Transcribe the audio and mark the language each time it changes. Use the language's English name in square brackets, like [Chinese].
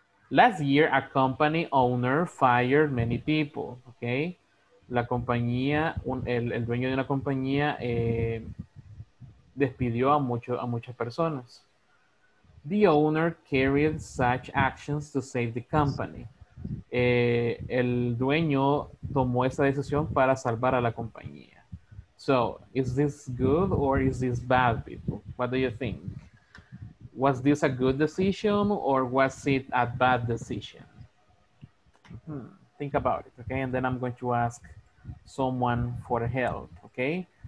[English] Last year, a company owner fired many people, okay? [Spanish] La compañía, el dueño de una compañía, despidió a muchas personas. [English] The owner carried such actions to save the company. [Spanish] El dueño tomó esa decisión para salvar a la compañía. [English] So, is this good or is this bad, people? What do you think? Was this a good decision or was it a bad decision? Hmm, think about it, okay? And then I'm going to ask someone for help, okay?